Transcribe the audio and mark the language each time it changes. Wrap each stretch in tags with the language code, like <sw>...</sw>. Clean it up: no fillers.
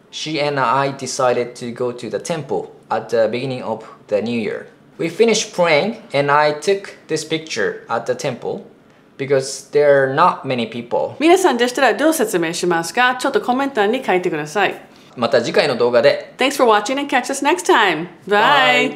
<en>She and I decided to go to the temple at the beginning of the new year. We finished praying and I took this picture at the temple because there are not many people.</en> <ja>皆さんでしたらどう説明しますか?ちょっとコメント欄に書いてください。また次回の動画で。</ja> <en>Thanks for watching and catch us next time. Bye! Bye.</en>